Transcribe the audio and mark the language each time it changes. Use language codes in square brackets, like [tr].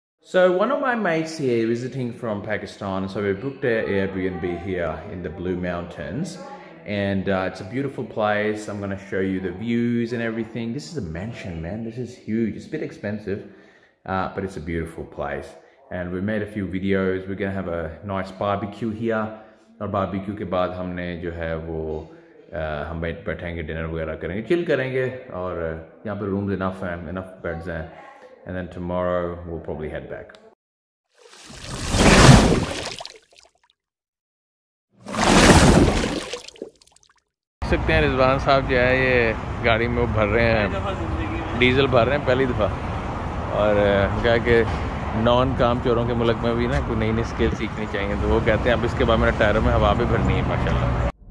[en] So one of my mates here visiting from Pakistan, so we booked our Airbnb here in the Blue Mountains, and it's a beautiful place. I'm going to show you the views and everything. This is a mansion, man. This is huge. It's a bit expensive, but it's a beautiful place. And we made a few videos. We're going to have a nice barbecue here. [hi] और barbecue के बाद हमने जो है वो हम बैठेंगे, dinner वगैरह करेंगे, चिल करेंगे. और यहाँ पे रूम्स इनफ हैं, इनफ बेड्स हैं. [en] And then tomorrow we'll probably head back. [hi] देख सकते हैं रिजवान साहब जो है ये गाड़ी में वो भर रहे हैं डीजल, भर रहे हैं पहली दफ़ा. और क्या कि नॉन काम चोरों के मुल्क में भी ना कोई नई नई स्किल सीखनी चाहिए, तो वो कहते हैं अब इसके बाद मेरे टायरों में हवा भी भरनी है माशाल्लाह.